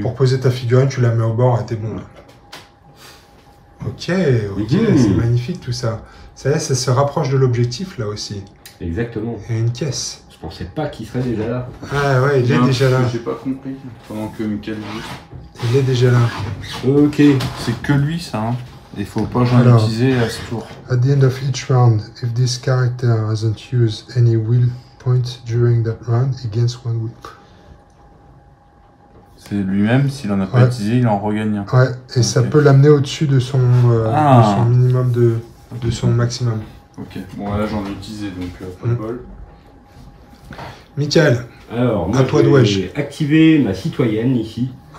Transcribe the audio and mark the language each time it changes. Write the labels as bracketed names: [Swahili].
[French] Pour poser ta figurine, tu la mets au bord et t'es bon là. Ok, c'est magnifique tout ça. Ça y est, ça se rapproche de l'objectif là aussi. Exactement. Et une caisse. Je pensais pas qu'il serait déjà là. Ah ouais, il est déjà là. J'ai pas compris pendant que Michael joue. Il est déjà là. Ok, c'est que lui ça. Hein. Il faut pas j'en utiliser à ce tour. [English] At the end of each round, if this character hasn't used any will point during that round, he gains one whip. [French] C'est lui-même, s'il en a pas utilisé, il en regagne. Ouais, et okay. Ça peut l'amener au-dessus de son, de son minimum, de son maximum. Ok, bon là j'en ai utilisé, donc pas de bol. Michael, alors, moi, à toi dois-je. J'ai activé ma citoyenne ici,